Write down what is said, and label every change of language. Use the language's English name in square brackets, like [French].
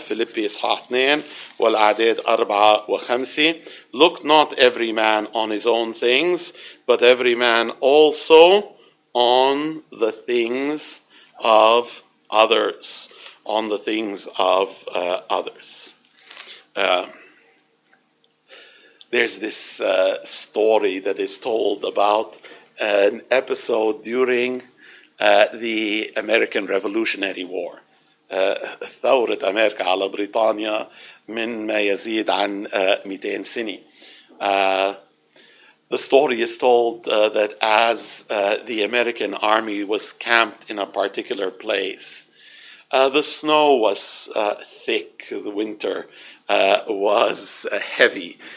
[Arabic] Philippians 2 والعدد 4 وخمسة. [English] Look not every man on his own things, but every man also on the things of others. On the things of others. There's this story that is told about an episode during the American Revolutionary War. [Arabic] ثورة أمريكا على بريطانيا من ما يزيد عن 200 سنة. [English] The story is told that as the American army was camped in a particular place, the snow was thick, the winter was heavy.